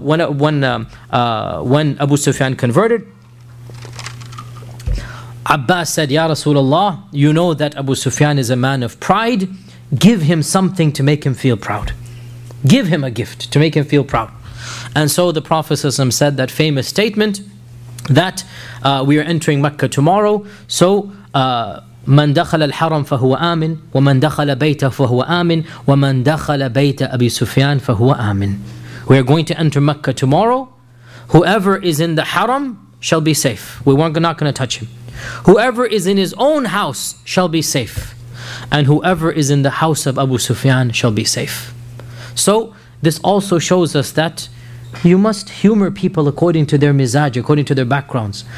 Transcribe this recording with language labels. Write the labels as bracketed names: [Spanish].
[English] So when Abu Sufyan converted, Abbas said, Ya Rasulullah, you know that Abu Sufyan is a man of pride. Give him something to make him feel proud. Give him a gift to make him feel proud. And so the Prophet ﷺ said that famous statement that we are entering Mecca tomorrow. [Arabic] So, من دخل الحرم فهو آمن ومن دخل بيته فهو آمن ومن دخل بيت أبي سفيان فهو آمن. [English] We are going to enter Mecca tomorrow. Whoever is in the Haram shall be safe. We weren't not going to touch him. Whoever is in his own house shall be safe. And whoever is in the house of Abu Sufyan shall be safe. So this also shows us that you must humor people according to their mizaj, according to their backgrounds.